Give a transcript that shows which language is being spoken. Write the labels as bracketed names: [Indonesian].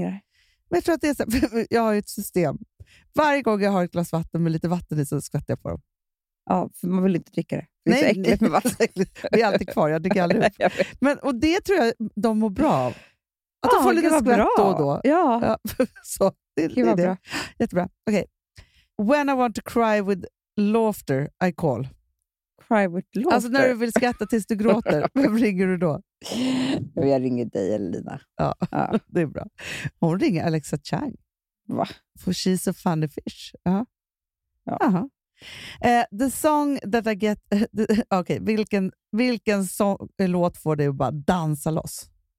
[Swedish] Men jag tror att det är så, jag har ju ett system. Varje gång jag har ett glas vatten med lite vatten i så skvätter jag på dem. Ja, för man vill inte dricka det. Det är äckligt med vatten. Det är alltid kvar, jag dricker aldrig upp. Men, och det tror jag de mår bra av. Att de får lite skvätt bra. Då och då. Ja. Ja, så, det är bra. Jättebra. Okej. Okay. [English] When I want to cry with laughter, I call. Cry with laughter? [Swedish] Alltså när du vill skratta tills du gråter. Vem ringer du då? Jag ringer dig, Elina. Ja, ja, det är bra. Hon ringer Alexa Chang. Va? [English] For she's a funny fish. Uh-huh. [Swedish] Ja. [English] Uh-huh. The song that I get... [Swedish] Okej, [English] okay, [Swedish] vilken låt får dig att bara dansa loss?